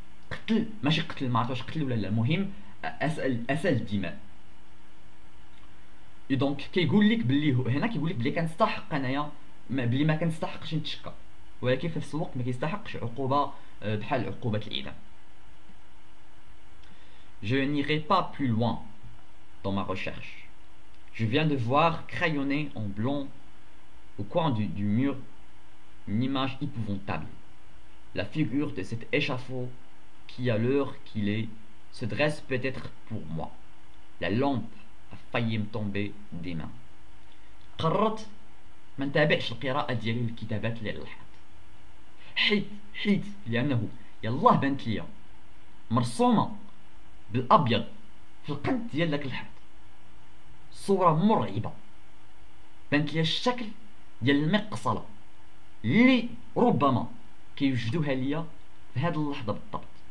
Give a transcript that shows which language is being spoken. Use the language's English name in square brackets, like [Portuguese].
[Arabic] قتل ماشي قتل، ما عرفتش قتل ولا لا، المهم اسال الدماء. اي دونك كيقول لك بلي هنا كيقول لك بلي كنستحق انايا، بلي ما كنستحقش نتشكى، ولكن في نفس الوقت ما كيستحقش عقوبه بحال عقوبه الاعدام. [French] Je n'irai pas plus loin dans ma recherche. Je viens de voir crayonné en blanc au coin du mur une image épouvantable. La figure de cet échafaud qui à l'heure qu'il est se dresse peut-être pour moi. La lampe a failli me tomber des mains. [Arabic] قررت ما نتابعش القراءة ديالي للكتابات اللي لحقت، حيت لأنه يالله بانت ليا مرسومة بالأبيض في القنت ديال داك الحيط، صورة مرعبة، بانت ليا الشكل ديال المقصلة اللي ربما كيوجدوها ليا في هاد اللحظة بالضبط.